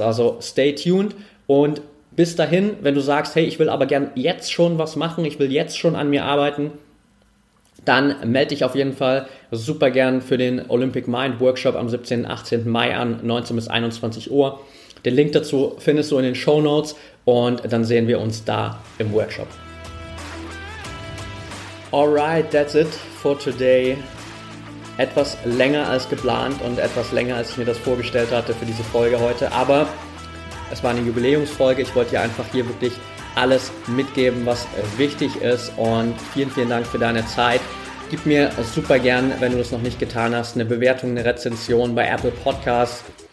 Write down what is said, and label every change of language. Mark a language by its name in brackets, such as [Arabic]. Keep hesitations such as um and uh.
[German] Also stay tuned und bis dahin, wenn du sagst, hey, ich will aber gern jetzt schon was machen, ich will jetzt schon an mir arbeiten, dann melde dich auf jeden Fall super gern für den Olympic Mind Workshop am 17. und 18. Mai an, 19 bis 21 Uhr. Den Link dazu findest du in den Show Notes und dann sehen wir uns da im Workshop. [English] Alright, that's it for today. [German] Etwas länger als geplant und etwas länger als ich mir das vorgestellt hatte für diese Folge heute, aber es war eine Jubiläumsfolge. Ich wollte dir einfach hier wirklich alles mitgeben, was wichtig ist. Und vielen, vielen Dank für deine Zeit. Gib mir super gern, wenn du das noch nicht getan hast, eine Bewertung, eine Rezension bei Apple Podcasts.